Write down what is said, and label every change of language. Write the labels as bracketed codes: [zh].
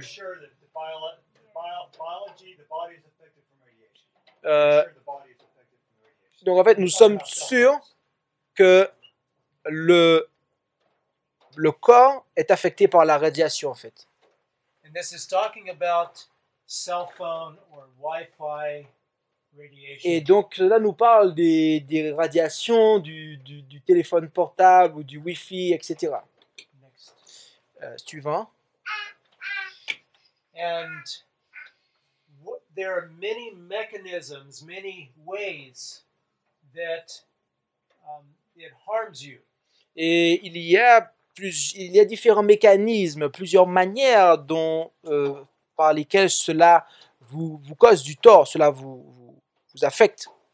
[en] Sure that the body is affected from radiation. [fr] Donc en fait, nous sommes sûrs que le corps est affecté par la radiation, en fait. [en] And this is talking about cell phone or Wi-Fi radiation. [fr] Et donc, cela nous parle des radiations du téléphone portable ou du Wi-Fi, etc. [en] Next. [fr] Suivant. [en] And there are many mechanisms, many ways that it harms you. [fr] Et il y a différents mécanismes, plusieurs manières dont par lesquelles cela vous cause du tort, cela vous affecte.